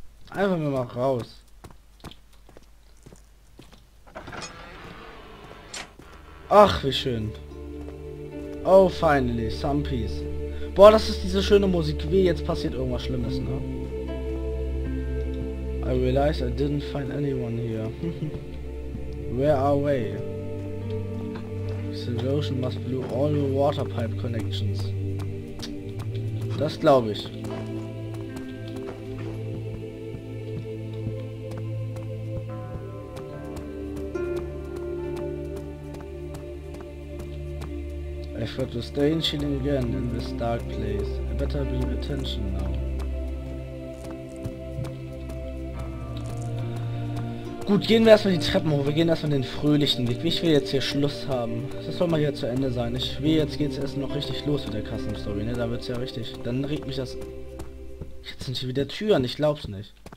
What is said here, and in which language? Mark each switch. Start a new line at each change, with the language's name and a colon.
German: Einfach nur mal raus. Ach, wie schön.
English: Oh, finally, some peace.
German: Boah, das ist diese schöne Musik. Wie jetzt passiert irgendwas Schlimmes, ne?
English: I realize I didn't find anyone here. Where are we? This erosion must blew all the water pipe connections.
German: Das glaube ich.
English: I felt the strange feeling again in this dark place. I better be paying attention now.
German: Gut, gehen wir erstmal die Treppen hoch. Wir gehen erstmal den fröhlichen Weg. Ich will jetzt hier Schluss haben. Das soll mal hier zu Ende sein. Ich will jetzt geht's erst noch richtig los mit der Custom Story. Ne? Da wird's ja richtig. Dann regt mich das. Jetzt sind hier wieder Türen. Ich glaub's nicht.